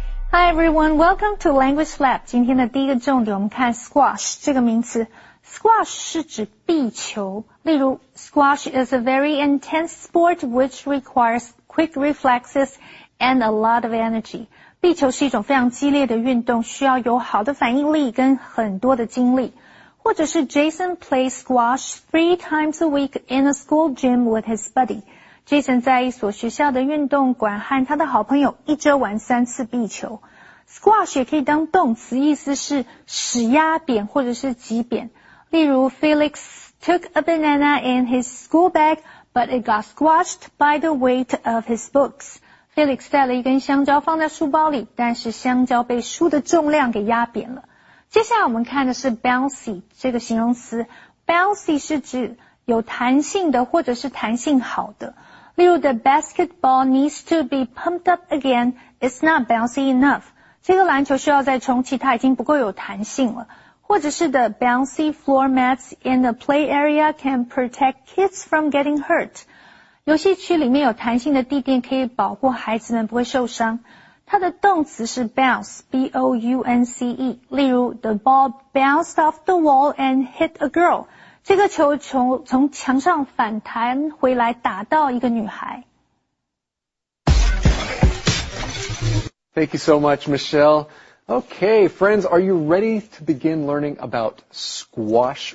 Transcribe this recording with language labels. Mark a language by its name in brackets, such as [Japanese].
[English] Hi everyone, welcome to Language Lab. [Chinese] 今天的第一个重点我们看 squash 这个名词。 Squash 是指壁球。例如 [English] squash is a very intense sport which requires quick reflexes and a lot of energy. [Chinese] 壁球是一种非常激烈的运动需要有好的反应力跟很多的精力。或者是 [English] Jason plays squash 3 times a week in a school gym with his buddy. [Chinese] Jason 在一所学校的运动馆和他的好朋友一周玩3次壁球。 Squash 也可以当动词，意思是使压扁或者是挤扁。例如 [English] Felix took a banana in his school bag, but it got squashed by the weight of his books. [Chinese] Felix 带了一根香蕉放在书包里，但是香蕉被书的重量给压扁了。接下来我们看的是 bouncy 这个形容词。Bouncy 是指有弹性的或者是弹性好的。例如 [English] the basketball needs to be pumped up again, it's not bouncy enough. [Chinese] 这个篮球需要再重启，它已经不够有弹性了。或者是 [English] the bouncy floor mats in the play area can protect kids from getting hurt. [Chinese] 游戏区里面有弹性的地垫可以保护孩子们不会受伤。它的动词是 bounce, B-O-U-N-C-E. [English] 例如 the ball bounced off the wall and hit a girl. [Chinese] 这个球从墙上反弹回来打到一个女孩。 [English] Thank you so much, Michelle. Okay, friends, are you ready to begin learning about squash?